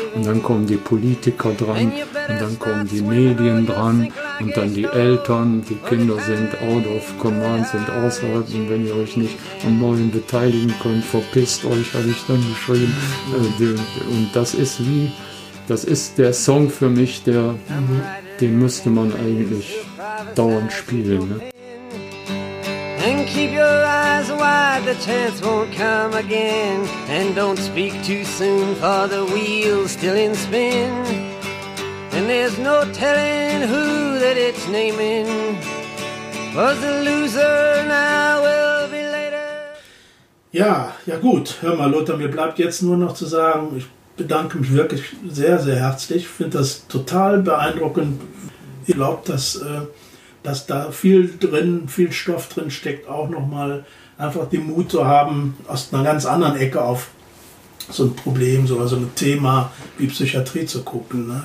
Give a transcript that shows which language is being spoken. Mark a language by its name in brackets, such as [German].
[German] Und dann kommen die Politiker dran, und dann kommen die Medien dran, und dann die Eltern, die Kinder sind [English] out of command, [German] sind außerhalb, und wenn ihr euch nicht am Neuen beteiligen könnt, verpisst euch, habe ich dann geschrieben. Und das ist wie, das ist der Song für mich, der, den müsste man eigentlich dauernd spielen. Ne? [English] And keep your eyes wide, the chance won't come again. And don't speak too soon, for the wheel's still in spin. And there's no telling who that it's naming. Was the loser now will be later. [German] Ja, ja gut. Hör mal, Lothar, mir bleibt jetzt nur noch zu sagen, ich bedanke mich wirklich sehr, sehr herzlich. Ich finde das total beeindruckend. Ich glaube, dass da viel drin, viel Stoff drin steckt, auch nochmal einfach den Mut zu haben, aus einer ganz anderen Ecke auf so ein Problem, so also ein Thema wie Psychiatrie zu gucken. Ne?